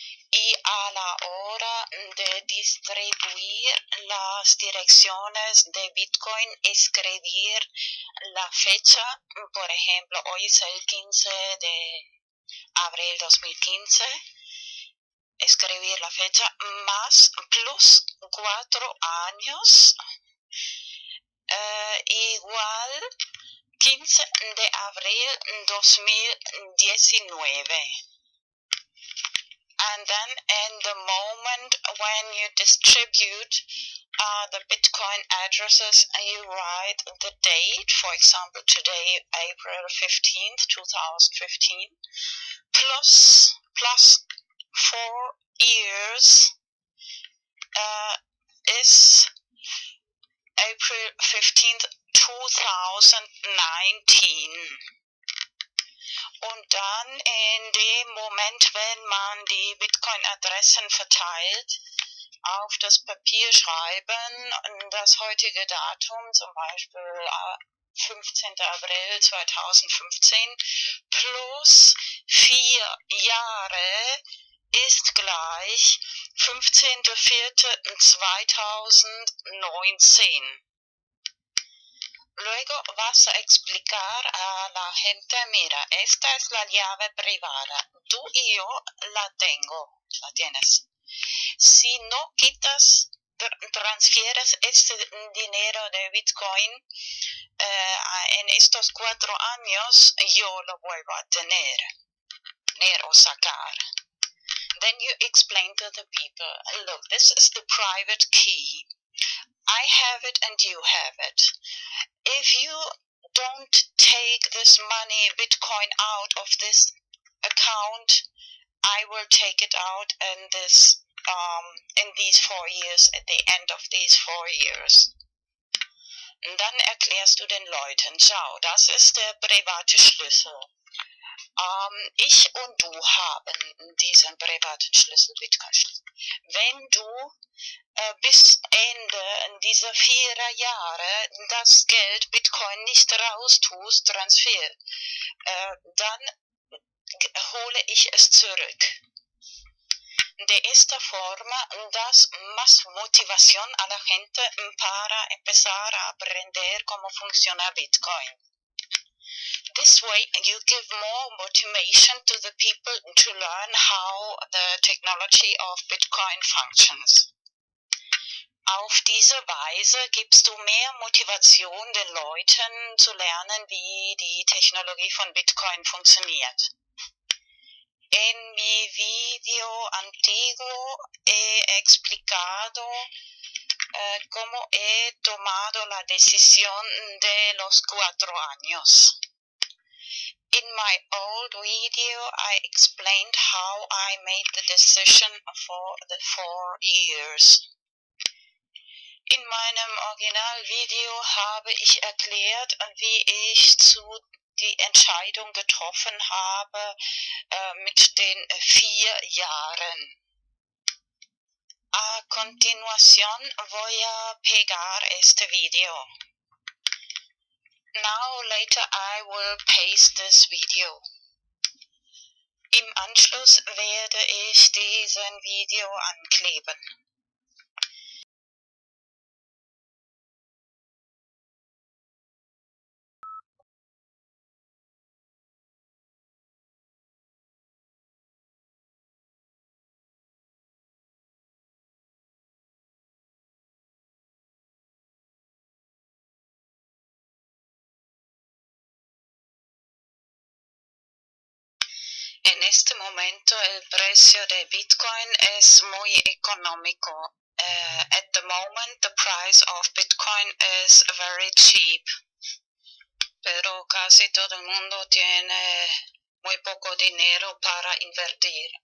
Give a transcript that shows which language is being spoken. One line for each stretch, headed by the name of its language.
Spanish: Y a la hora de distribuir las direcciones de Bitcoin, escribir la fecha, por ejemplo, hoy es el 15 de abril 2015, escribir la fecha más plus 4 años, igual 15 de abril 2019.
English: And then in the moment when you distribute the Bitcoin addresses, you write the date, for example, today, April 15th, 2015, plus 4 years is April 15th, 2019.
German: Und dann in dem Moment, wenn man die Bitcoin-Adressen verteilt, auf das Papier schreiben, das heutige Datum, zum Beispiel 15. April 2015, plus 4 Jahre ist gleich 15.04.2019.
Spanish: Luego vas a explicar a la gente, mira, esta es la llave privada, tú y yo la tengo, la tienes. Si no quitas, transfieres este dinero de Bitcoin, en estos 4 años, yo lo vuelvo a tener o sacar.
English: Then you explain to the people, look, this is the private key. I have it and you have it. If you don't take this money, Bitcoin, out of this account, I will take it out in this in these 4 years, at the end of these 4 years.
German: Und dann erklärst du den Leuten, schau, das ist der private Schlüssel. Ich und du haben diesen privaten Schlüssel, Bitcoin-Schlüssel. Wenn du bis Ende dieser 4 Jahre das Geld Bitcoin nicht raustust, Transfer, dann hole ich es zurück.
Spanish: De esta forma das más motivación a la gente para empezar a aprender cómo funciona Bitcoin.
English: This way you give more motivation to the people to learn how the technology of Bitcoin functions.
German: Auf diese Weise gibst du mehr Motivation den Leuten zu lernen, wie die Technologie von Bitcoin funktioniert.
Spanish: En mi video antiguo he explicado cómo he tomado la decisión de los 4 años.
English: In my old video, I explained how I made the decision for the 4 years.
German: In meinem Originalvideo habe ich erklärt, wie ich zu die Entscheidung getroffen habe mit den 4 Jahren.
Spanish: A continuación voy a pegar este video.
English: Now later I will paste this video.
German: Im Anschluss werde ich diesen Video ankleben.
Spanish: En este momento el precio de Bitcoin es muy económico.
English: At the moment the price of Bitcoin is very cheap.
Spanish: Pero casi todo el mundo tiene muy poco dinero para invertir.